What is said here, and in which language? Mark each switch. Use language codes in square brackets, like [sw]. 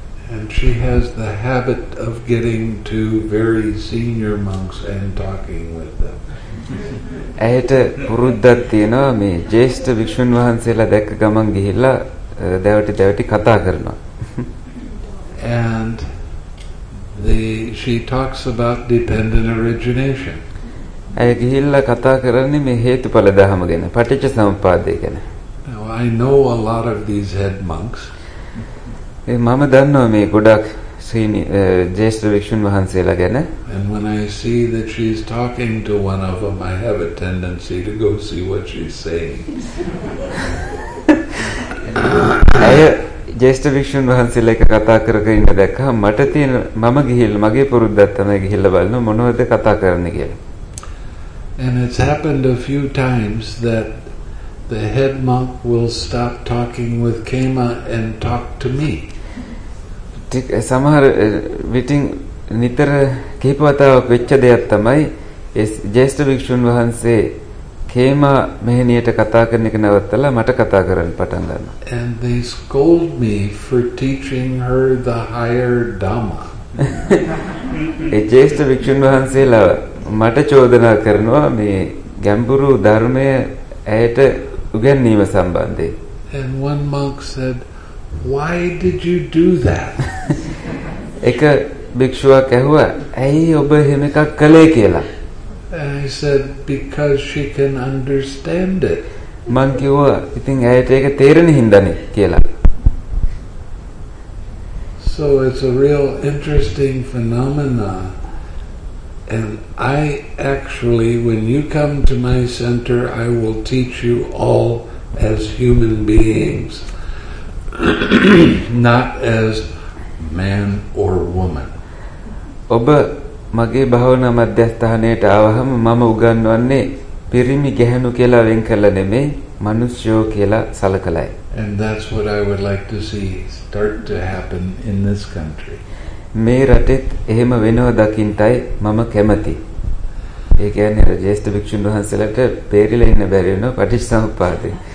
[en] And she has the habit of getting to very senior monks and talking with them. [si] ඇයට පුරුද්දක් තියෙනවා මේ ජේෂ්ඨ භික්ෂුන් වහන්සේලා දැක්ක ගමන් ගිහිල්ලා දැවටි දැවටි කතා කරනවා. [en] And she talks about dependent origination. [si] ඇය ගිහිල්ලා කතා කරන්නේ මේ හේතුඵල ධර්ම ගැන, පටිච්ච සමුප්පාදය ගැන. [en] Now I know a lot of these head monks. [si] මම දන්නවා මේ ගොඩක් ජේෂ්ඨ භික්ෂුන් වහන්සේලා ගැන. [en] And when I see that she's talking to one of them, I have a tendency to go see what she's saying. [si] අය ජේෂ්ඨ භික්ෂුන් වහන්සේලා එක කතා කරගෙන ඉන්න දැක්කම මට තියෙන මම ගිහිල්ලා මගේ පුරුද්දක් තමයි ගිහිල්ලා බලන මොනවද කතා කරන්නේ කියලා. [en] And it's happened a few times that the head monk will stop talking with Kema and talk to me. [si] සමහර විටින් නිතර කීප වතාවක් වෙච්ච දෙයක් තමයි ජේෂ්ඨ භික්ෂුන් වහන්සේ කේමා මෙහෙණියට කතා කරන එක නවත්තලා මට කතා කරන්න පටන් ගන්නවා. [en] And they scold me for teaching her the higher dhamma. [si] ඒ ජේෂ්ඨ භික්ෂුන් වහන්සේලා මට චෝදනා කරනවා මේ ගැඹුරු ධර්මය ඇයට උගන්වීම සම්බන්ධයෙන්. [en] And one monk said, "Why did you do that?" [si] එක භික්ෂුවක් ඇහුවා, "ඇයි ඔබ එහෙම එකක් කළේ කියලා?" [en] And I said, "Because she can understand it." [si] මං කිව්වා, "ඉතින් ඇයට ඒක තේරෙන හින්දානේ කියලා." [en] So it's a real interesting phenomenon. And I actually, when you come to my center, I will teach you all as human beings. Not as man or woman. [si] ඔබ මගේ භවනා මධ්‍යස්ථානයට ආවහම මම උගන්වන්නේ පිරිමි ගැහණු කියලා වෙන් කළා නෙමේ මිනිස්යෝ කියලා සලකලයි. [en] And that's what I would like to see start to happen in this country. [si] මේ රටෙත් එහෙම වෙනව දකින්ටයි මම කැමති. ඒ කියන්නේ රජේෂ්ඨ භික්ෂුන් වහන්සේලට පෙරිලා ඉන්න බැරි වෙනව පටිච්චසමුප්පාදේ.